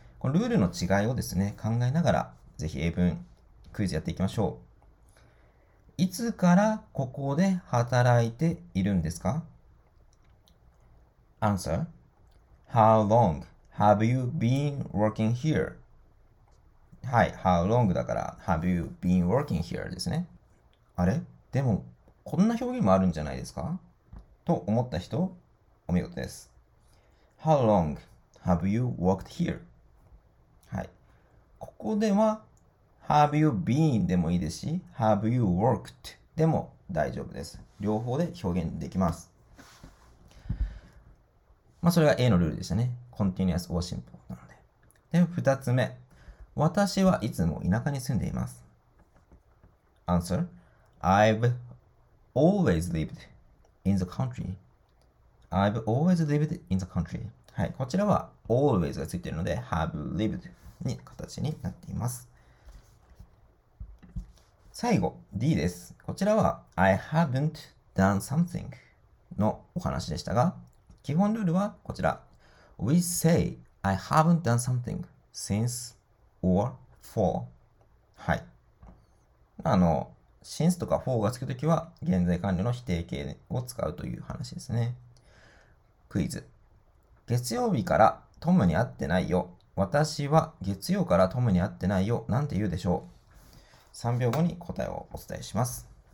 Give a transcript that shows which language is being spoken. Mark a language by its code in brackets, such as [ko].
[ja] このルールの違いをですね、考えながら、ぜひ英文クイズやっていきましょう。いつからここで働いているんですか [en] ?Answer: How long have you been working here? [ja] はい、 [en] How long [ja] だから、 [en] Have you been working here? [ja] ですね。あれ? でも、こんな表現もあるんじゃないですか?と思った人、お見事です。 [en] How long have you worked here? [ja] はい。ここでは、 [en] Have you been [ja] でもいいですし、 [en] Have you worked [ja] でも大丈夫です。両方で表現できます。まあ、それが A のルールでしたね。 [en] Continuous or simple なので。 [ja] で、二つ目。私はいつも田舎に住んでいます。 [en] Answer. I've always lived in the country. I've always lived in the country. [ja] はい、こちらは always がついているので have lived に形になっています。最後 D です。こちらは [en] I haven't done something [ja] のお話でしたが、基本ルールはこちら。 [en] We say I haven't done something since or for. [ja] はい。 since とか for がつくときは、現在完了の否定形を使うという話ですね。クイズ。月曜日からトムに会ってないよ。私は月曜からトムに会ってないよ。なんて言うでしょう。3秒後に答えをお伝えします。